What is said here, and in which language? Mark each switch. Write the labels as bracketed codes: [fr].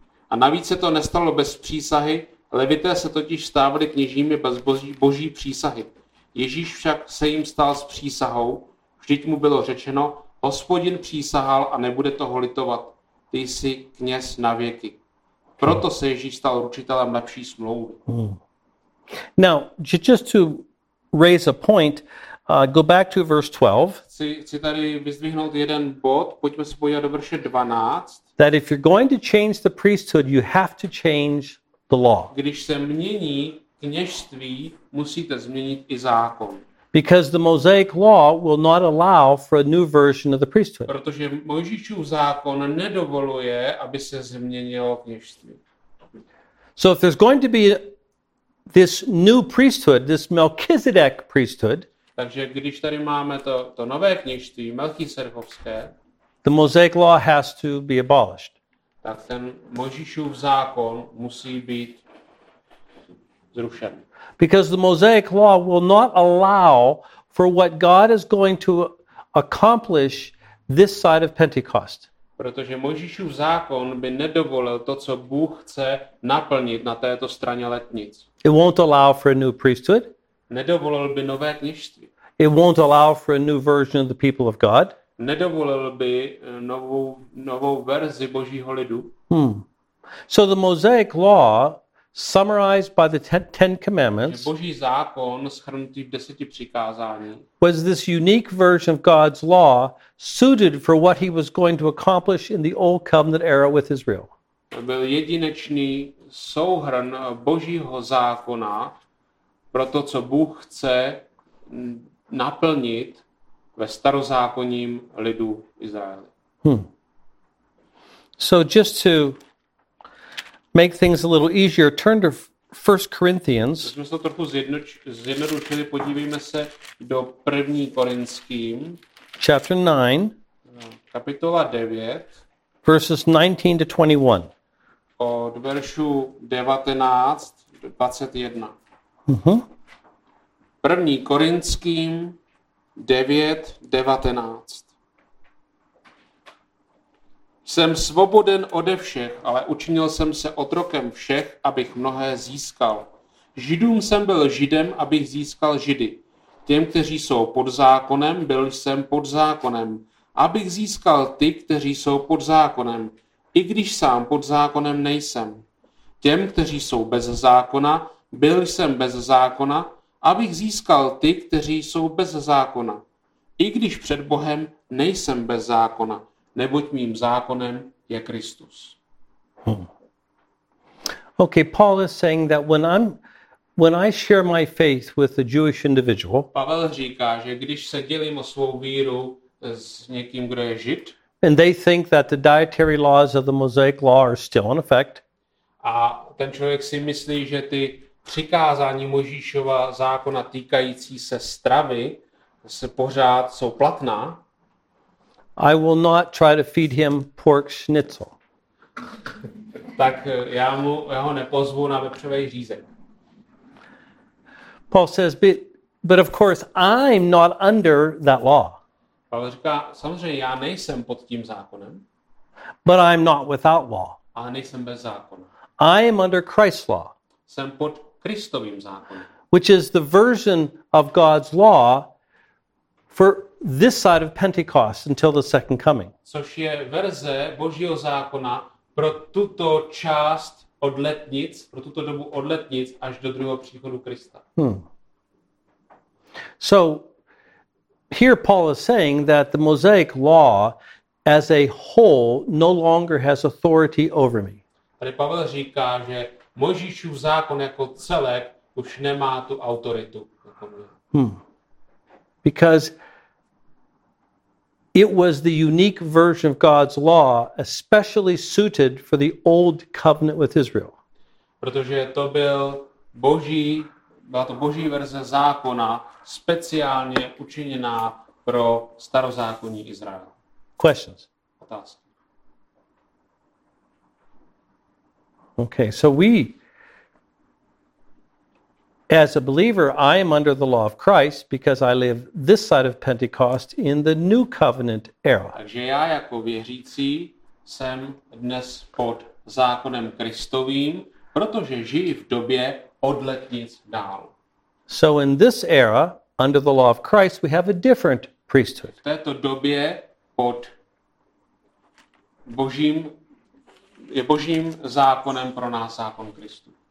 [cs] A navíc se to nestalo bez přísahy, levité se totiž stávali kněžími bez boží přísahy. Ježíš však se jim stal s přísahou, vždyť mu bylo řečeno, Hospodin přísahal a nebude toho litovat, ty jsi kněz na věky. Proto se Ježíš stal ručitelem lepší smlouvy. [en] Now, just to raise a point, go back to verse 12. [cs] Chci tady vyzdvihnout jeden bod, pojďme se podívat do verše 12. [en] That if you're going to change the priesthood, you have to change the law. [cs] Když se mění kněžství, musíte změnit i zákon. [en] Because the Mosaic law will not allow for a new version of the priesthood. [cs] Protože Mojžíšův zákon nedovoluje, aby se změnilo kněžství. [en] So if there's going to be this new priesthood, this Melchizedek priesthood, [cs] takže když tady máme to nové kněžství, Melchizedekovské, [en] the Mosaic law has to be abolished. [cs] Tak ten Mojžíšův zákon musí být zrušen. [en] Because the Mosaic law will not allow for what God is going to accomplish this side of Pentecost. [cs] Protože Mojžíšův zákon by nedovolil to, co Bůh chce naplnit na této straně letnic. [en] It won't allow for a new priesthood. [cs] Nedovolil by nové kněžství. [en] It won't allow for a new version of the people of God. [cs] Nedovolil by novou verzi Božího lidu. Hmm. [en] So the Mosaic law summarized by the Ten Commandments, [cs] Boží zákon shrnutý v deseti přikázání, [en] was this unique version of God's law suited for what he was going to accomplish in the Old Covenant era with Israel. [cs] Byl jedinečný souhrn Božího zákona pro to, co Bůh chce naplnit ve starozákonním lidu Izraeli. Hmm. [en] So just to make things a little easier, turn to 1 Corinthians. [cs] Když jsme se to trochu zjednodušili, podívejme se do 1. Korinským. [en] Chapter 9. [cs] Kapitola 9. [en] Verses 19 to 21. [cs] Od veršů 19 do 21. Uh-huh. 1. Korinským 9, 19. Jsem svoboden ode všech, ale učinil jsem se otrokem všech, abych mnohé získal. Židům jsem byl Židem, abych získal Židy. Těm, kteří jsou pod zákonem, byl jsem pod zákonem, abych získal ty, kteří jsou pod zákonem, i když sám pod zákonem nejsem. Těm, kteří jsou bez zákona, byl jsem bez zákona, abych získal ty, kteří jsou bez zákona, i když před Bohem nejsem bez zákona. Neboť mým zákonem je Kristus. [en] Okay, Paul is saying that when I share my faith with a Jewish individual, [cs] Pavel říká, že když se dělím o svou víru s někým, kdo je Žid, [en] and they think that the dietary laws of the Mosaic law are still in effect, [cs] a ten člověk si myslí, že ty přikázání Mojžíšova zákona týkající se stravy se pořád jsou platná, [en] I will not try to feed him pork schnitzel. [cs] Tak já ho nepozvu na vepřovej řízek. [en] Paul says, but of course I'm not under that law. [cs] Pavel říká, samozřejmě já nejsem pod tím zákonem. [en] But I'm not without law. [cs] Ale nejsem bez zákona. [en] I am under Christ's law. [cs] Jsem pod Kristovým zákonem. [en] Which is the version of God's law for this side of Pentecost until the second coming. [cs] Což je verze Božího zákona pro tuto část od letnic, pro tuto dobu od letnic až do druhého příchodu Krista. [en] So here Paul is saying that the Mosaic law as a whole no longer has authority over me. [cs] Tady Pavel říká, že Mojžíšův zákon jako celek už nemá tu autoritu. [en] Because it was the unique version of God's law especially suited for the old covenant with Israel. [cs] Protože to byl Boží, byla to Boží verze zákona speciálně učiněná pro starozákonní Izrael. [en] Questions. [cs] Otázky. [en] Okay, so we as a believer, I am under the law of Christ because I live this side of Pentecost in the new covenant era. [cs] Takže já jako věřící jsem dnes pod zákonem Kristovým, protože žiji v době od letnic dál. [en] So in this era, under the law of Christ, we have a different priesthood. [cs] V této době pod Božím, je Božím zákonem pro nás zákon Kristu.